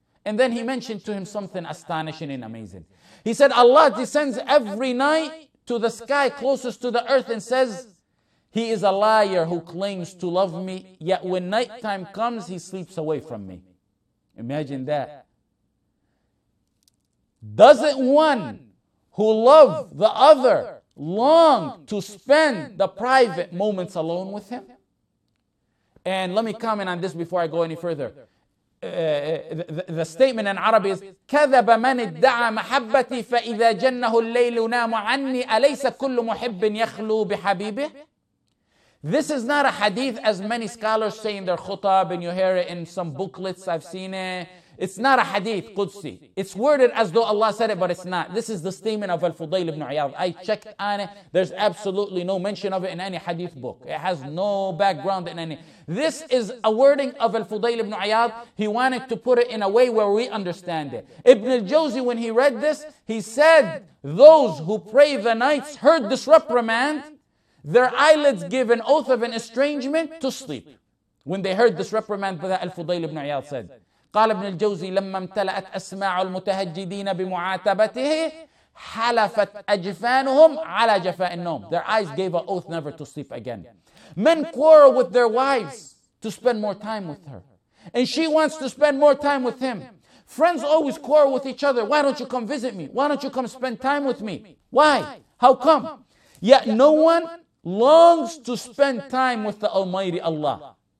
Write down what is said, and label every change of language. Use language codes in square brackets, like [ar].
[en] And then he mentioned to him something astonishing and amazing. He said, Allah descends every night to the sky closest to the earth and says, he is a liar who claims to love me, yet when nighttime comes, he sleeps away from me. Imagine that. Doesn't one who love the other long to spend the private moments alone with him? And let me comment on this before I go any further. The statement in Arabic is [ar] كَذَبَ مَنِ ادَّعَ مَحَبَّتِي فَإِذَا جَنَّهُ اللَّيْلُ نَامُ عَنِّي أَلَيْسَ كُلُّ مُحِبٍ يَخْلُو بِحَبِيبِهِ. [en] This is not a hadith, as many scholars say in their khutab, and you hear it in some booklets, I've seen it. It's not a hadith, Qudsi. It's worded as though Allah said it, but it's not. This is the statement of Al-Fudayl ibn Iyad. I checked on it. There's absolutely no mention of it in any hadith book. It has no background in any. This is a wording of Al-Fudayl ibn Iyad. He wanted to put it in a way where we understand it. Ibn al-Jawzi, when he read this, he said, those who pray the nights heard this reprimand, their eyelids give an oath of an estrangement to sleep. When they heard this reprimand that Al-Fudayl ibn Iyad said. [ar] قال ابن الجوزي لما امتلأت أسماع المتهجدين بمعاتبته حلفت أجفانهم على جفاء النوم. [en] Their eyes gave an oath never to sleep again. Men quarrel with their wives to spend more time with her. And she wants to spend more time with him. Friends always quarrel with each other. Why don't you come visit me? Why don't you come spend time with me? Why? How come? Yet no one longs to spend time with the Almighty Allah.